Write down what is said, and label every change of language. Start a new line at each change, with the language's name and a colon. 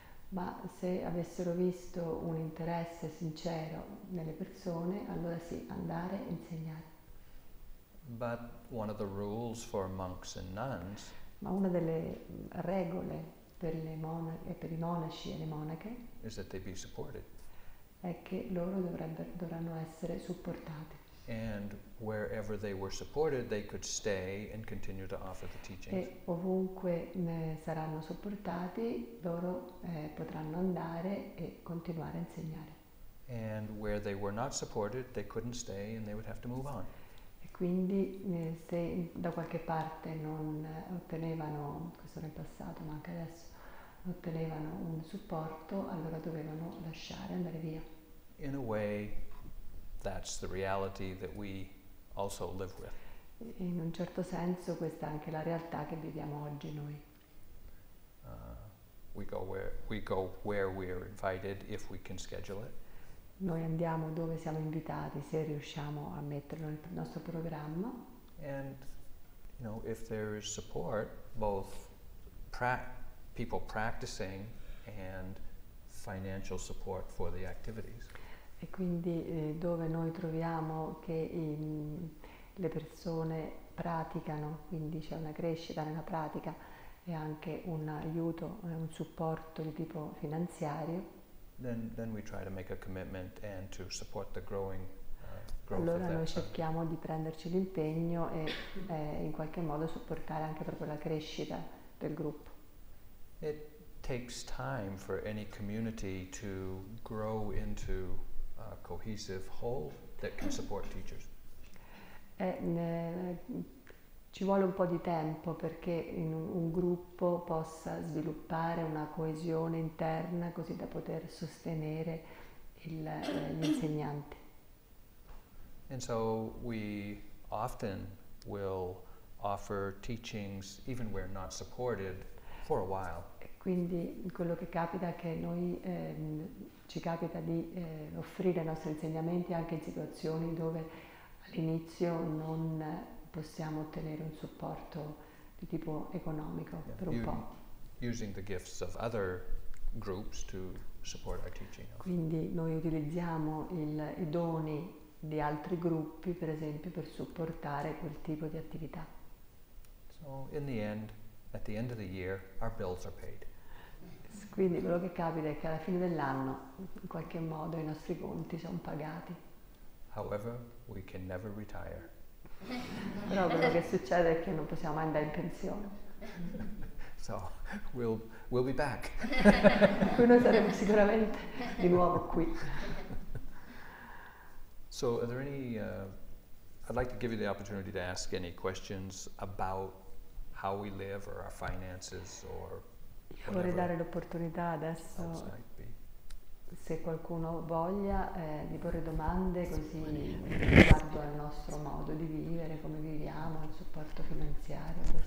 Italian: Ma se avessero visto un interesse sincero nelle persone, allora sì, andare e insegnare.
English: But one of the rules for monks and nuns.
Italian: Ma una delle regole per le monache, per i monaci e le monache,
English: is that they be supported.
Italian: È che loro dovranno essere supportati.
English: And wherever they were supported, they could stay and continue to offer the teachings.
Italian: E ovunque saranno supportati, loro potranno andare e continuare a insegnare.
English: And where they were not supported, they couldn't stay and they would have to move on.
Italian: E quindi se da qualche parte non ottenevano, questo era in passato, ma anche adesso, ottenevano un supporto, allora dovevano lasciare, andare via.
English: In a way, that's the reality that we also live with.
Italian: In un certo senso questa è anche la realtà che viviamo oggi noi.
English: We go where we are invited if we can schedule it.
Italian: Noi andiamo dove siamo invitati se riusciamo a metterlo nel nostro programma.
English: And you know, if there is support, both people practicing and financial support for the activities.
Italian: E quindi dove noi troviamo che le persone praticano, quindi c'è una crescita nella pratica e anche un aiuto, un supporto di tipo finanziario.
English: Then we try to make a commitment and to support the growing growth.
Italian: Allora noi cerchiamo di prenderci l'impegno e in qualche modo supportare anche proprio la crescita del gruppo.
English: It takes time for any community to grow into a cohesive whole that can support teachers.
Italian: Ci vuole un po' di tempo perché in un gruppo possa sviluppare una coesione interna così da poter sostenere l'insegnante.
English: And so we often will offer teachings even where not supported for a while.
Italian: Quindi quello che capita è che noi ci capita di offrire i nostri insegnamenti anche in situazioni dove all'inizio non possiamo ottenere un supporto di tipo economico per un po'.
English: Using the gifts of other groups to support our teaching.
Italian: Quindi noi utilizziamo i doni di altri gruppi, per esempio, per supportare quel tipo di attività.
English: So in the end, at the end of the year, our bills are paid.
Italian: Quindi quello che capita è che alla fine dell'anno, in qualche modo, i nostri conti sono pagati.
English: However, we can never retire.
Italian: Però quello che succede è che non possiamo mai andare in pensione.
English: So, we'll be back.
Italian: Qui noi saremo sicuramente di nuovo qui.
English: So, are there any... I'd like to give you the opportunity to ask any questions about how we live or our finances or...
Italian: Vorrei dare l'opportunità adesso, se qualcuno voglia, di porre domande così riguardo al nostro modo di vivere, come viviamo, il supporto finanziario.